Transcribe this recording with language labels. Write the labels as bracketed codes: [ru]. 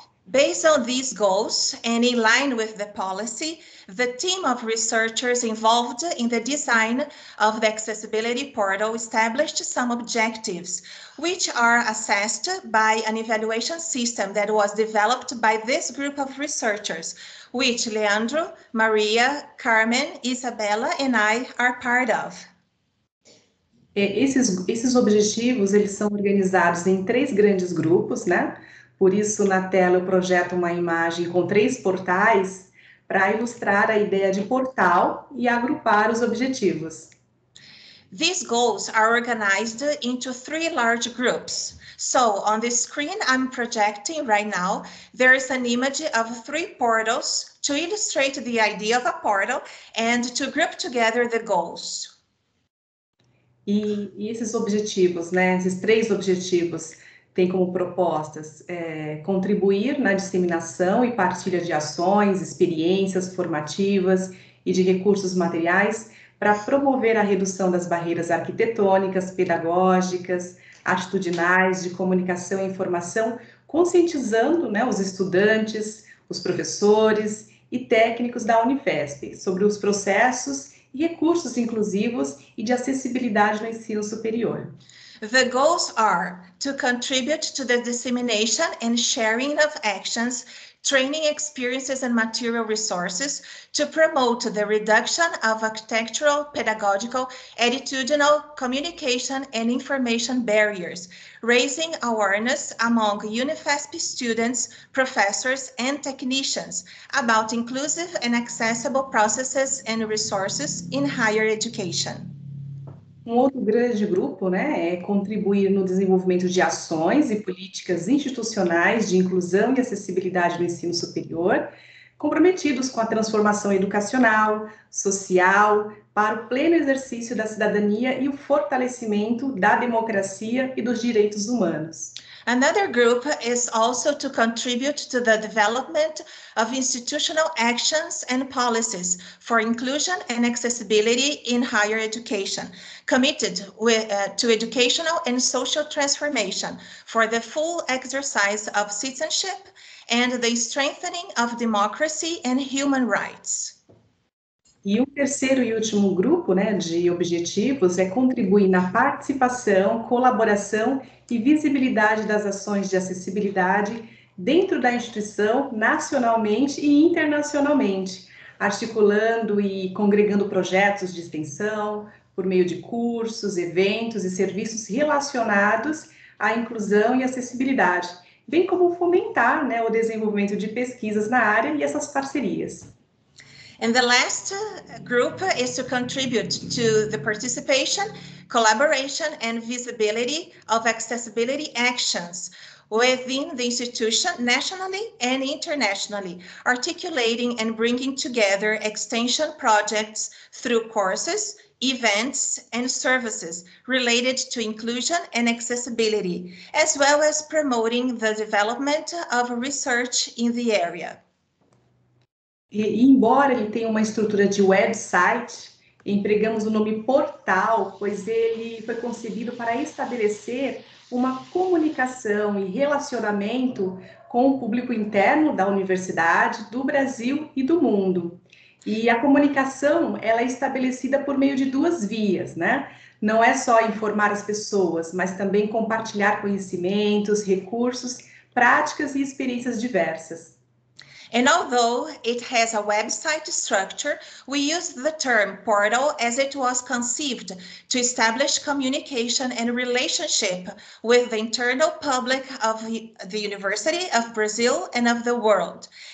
[en] Based on these goals and in line with the policy, the team of researchers involved in the design of the accessibility portal established some objectives, which are assessed by an evaluation system that was developed by this group of researchers, which Leandro, Maria, Carmen, Isabella and I are part of. [pt] Esses objetivos, eles são organizados em três grandes grupos, né? Por isso, na tela, eu projeto uma imagem com três portais para ilustrar a ideia de portal e agrupar os objetivos. [en] These goals are organized into three large groups. So, on the screen I'm projecting right now, there is an image of three portals to illustrate the idea of a portal and to group together the goals. [pt] E esses objetivos, né, esses três objetivos, tem como propostas contribuir na disseminação e partilha de ações, experiências formativas e de recursos materiais para promover a redução das barreiras arquitetônicas, pedagógicas, atitudinais, de comunicação e informação, conscientizando, né, os estudantes, os professores e técnicos da Unifesp sobre os processos e recursos inclusivos e de acessibilidade no ensino superior. [en] The goals are to contribute to the dissemination and sharing of actions, training experiences and material resources to promote the reduction of architectural, pedagogical, attitudinal, communication and information barriers, raising awareness among UNIFESP students, professors and technicians about inclusive and accessible processes and resources in higher education. [pt] Um outro grande grupo, né, é contribuir no desenvolvimento de ações e políticas institucionais de inclusão e acessibilidade no ensino superior, comprometidos com a transformação educacional, social, para o pleno exercício da cidadania e o fortalecimento da democracia e dos direitos humanos. [en] Another group is also to contribute to the development of institutional actions and policies for inclusion and accessibility in higher education, committed to educational and social transformation for the full exercise of citizenship and the strengthening of democracy and human rights. [pt] E o terceiro e último grupo, né, de objetivos é contribuir na participação, colaboração e visibilidade das ações de acessibilidade dentro da instituição, nacionalmente e internacionalmente, articulando e congregando projetos de extensão por meio de cursos, eventos e serviços relacionados à inclusão e acessibilidade, bem como fomentar, né, o desenvolvimento de pesquisas na área e essas parcerias. [en] And the last group is to contribute to the participation, collaboration, and visibility of accessibility actions within the institution nationally and internationally, articulating and bringing together extension projects through courses, events, and services related to inclusion and accessibility, as well as promoting the development of research in the area. [pt] E embora ele tenha uma estrutura de website, empregamos o nome portal, pois ele foi concebido para estabelecer uma comunicação e relacionamento com o público interno da universidade, do Brasil e do mundo. E a comunicação, ela é estabelecida por meio de duas vias, né? Não é só informar as pessoas, mas também compartilhar conhecimentos, recursos, práticas e experiências diversas. [en] And although it has a website structure, we use the term portal as it was conceived to establish communication and relationship with the internal public of the University of Brazil and of the world.